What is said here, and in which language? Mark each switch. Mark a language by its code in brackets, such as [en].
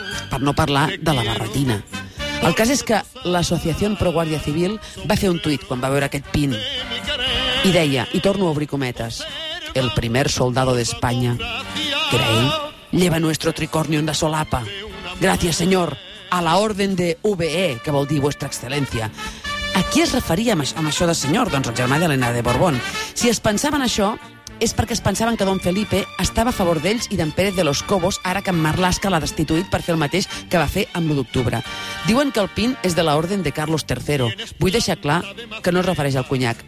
[ca] Per no parlar de la barretina. El cas és que l'Associació Pro Guàrdia Civil va fer un tuit quan va veure aquest pin i deia, i torno a obrir cometes, [es] el primer soldado de España, que era ell, lleva nuestro tricornio en la solapa. Gracias, señor, a la orden de UBE, [ca] que vol dir [es] vuestra excelencia. [ca] A qui es referia amb això de senyor? Doncs el germà d'Helena de Borbón. Si es pensaven això... és perquè es pensaven que Don Felipe estava a favor d'ells i d'en Pérez de los Cobos, ara que en Marlaska l'ha destituït per fer el mateix que va fer amb l'octubre. Diuen que el pin és de la orden de Carlos III. Vull deixar clar que no es refereix al cunyac.